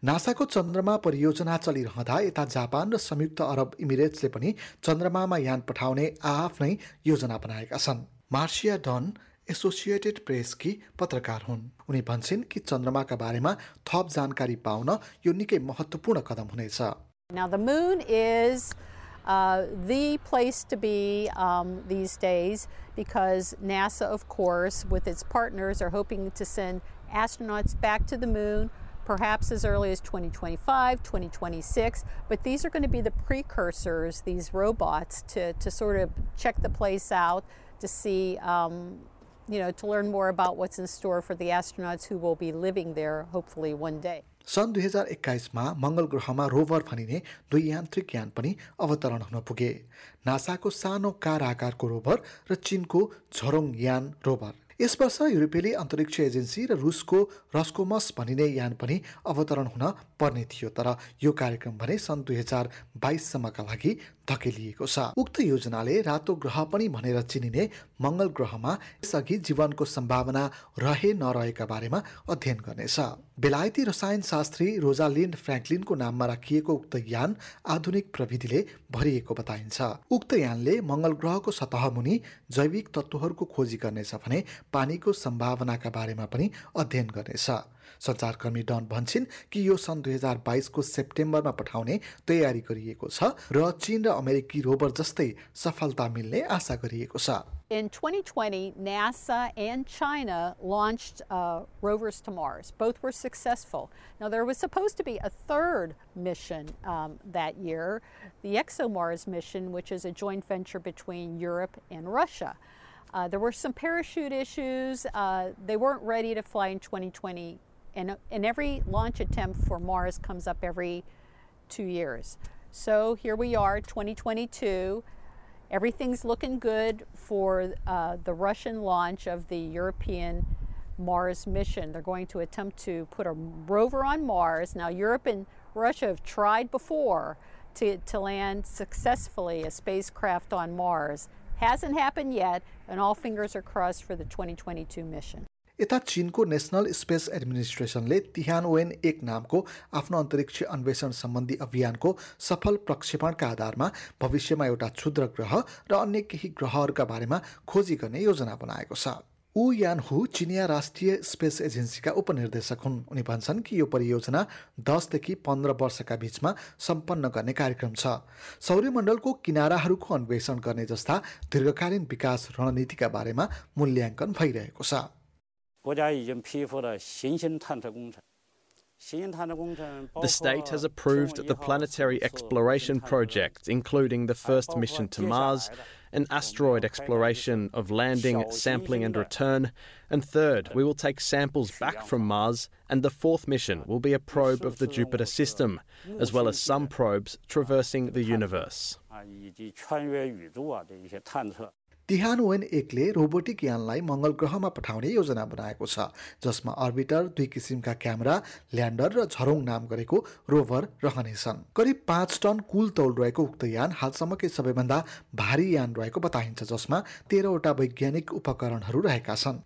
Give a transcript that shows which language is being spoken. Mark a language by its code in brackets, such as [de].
[ne] नासाको चन्द्रमा परियोजना चलिरहँदा यता जापान र संयुक्त अरब इमिरेट्सले पनि चन्द्रमामा यान पठाउने आआफ्नै योजना बनाएका छन्। मार्सिया डन एसोसिएटेड प्रेसकी पत्रकार हुन्। उनी भन्छन् कि चन्द्रमाका बारेमा थप जानकारी पाउन यो निकै महत्त्वपूर्ण कदम हुनेछ। [en] Now the moon is the place to be these days because NASA of course with its partners are hoping to send astronauts back to the moon perhaps as early as 2025, 2026, but these are going to be the precursors, these robots to sort of check the place out to see you know, to learn more about what's in store for the astronauts who will be living there, hopefully, one day. [ne] सन् 2021 मा मङ्गल ग्रहमा Rover भनिने दुई यान्त्रिक यान पनि अवतरण हुन पुगे। नासाको सानो कार आकारको रोभर र चिनको झरोङ यान रोभर। यस वर्ष युरोपेली अन्तरिक्ष एजेन्सी र रुसको रस्कोमस भनिने यान पनि अवतरण हुन पर्ने थियो, तर यो कार्यक्रम भने सन् 2022 लागि धकेलिएको छ। उक्त योजनाले रातो ग्रह पनि भनेर चिनिने मङ्गल ग्रहमा यसअघि जीवनको सम्भावना रहे नरहेका बारेमा अध्ययन गर्नेछ। बेलायती रसायनशास्त्री रोजालिन्ड फ्रेङ्कलिनको नाममा राखिएको उक्त यान आधुनिक प्रविधिले भरिएको बताइन्छ। उक्त यानले मङ्गल ग्रहको सतहमुनि जैविक तत्त्वहरूको खोजी गर्नेछ भने पानीको सम्भावनाका बारेमा पनि अध्ययन गर्नेछ। सञ्चारकर्मी डन भन्छन् कि यो सन् 2022 सेप्टेम्बरमा पठाउने तयारी गरिएको छ र चीन र अमेरिकी रोभर जस्तै सफलता मिल्ने आशा गरिएको छ। [en] In 2020, NASA and China launched rovers to Mars. Both were successful. Now, there was supposed to be a third mission that year, the ExoMars mission, which is a joint venture between Europe and Russia. There were some parachute issues. They weren't ready to fly in 2020. And every launch attempt for Mars comes up every 2 years. So here we are, 2022. Everything's looking good for the Russian launch of the European Mars mission. They're going to attempt to put a rover on Mars. Now, Europe and Russia have tried before to land successfully a spacecraft on Mars. Hasn't happened yet, and all fingers are crossed for the 2022 mission. [ne] यता चीनको national space एडमिनिस्ट्रेसनले तिहान when एक नामको आफ्नो अन्तरिक्ष अन्वेषण सम्बन्धी अभियानको सफल प्रक्षेपणका आधारमा भविष्यमा एउटा क्षुद्र ग्रह र अन्य केही ग्रहहरूका बारेमा खोजी गर्ने योजना बनाएको छ। उ यान हु चिनिया राष्ट्रिय स्पेस एजेन्सीका उपनिर्देशक हुन्। उनी भन्छन् कि यो परियोजना 10-15 वर्षका बिचमा सम्पन्न गर्ने कार्यक्रम छ। सौर्यमण्डलको किनाराहरूको अन्वेषण गर्ने जस्ता दीर्घकालीन विकास रणनीतिका बारेमा मूल्याङ्कन भइरहेको छ। [zh] 国家已经批复了行星探测工程。 [en] The state has approved the planetary exploration project, including the first mission to Mars, an asteroid exploration of landing, sampling and return, and third, we will take samples back from Mars, and the fourth mission will be a probe of the Jupiter system, as well as some probes traversing the universe. [ne] तिहानवेन एकले robotic यानलाई मंगल ग्रहमा पठाउने योजना बनाएको छ, जसमा orbiter, दुई किसिमका camera, Lander र झरोङ नाम गरेको रोभर रहनेछन्। करिब 5 टन कुल तौल रहेको उक्त यान हालसम्मकै सबैभन्दा भारी यान रहेको बताइन्छ, जसमा 13 वैज्ञानिक उपकरणहरू रहेका छन्।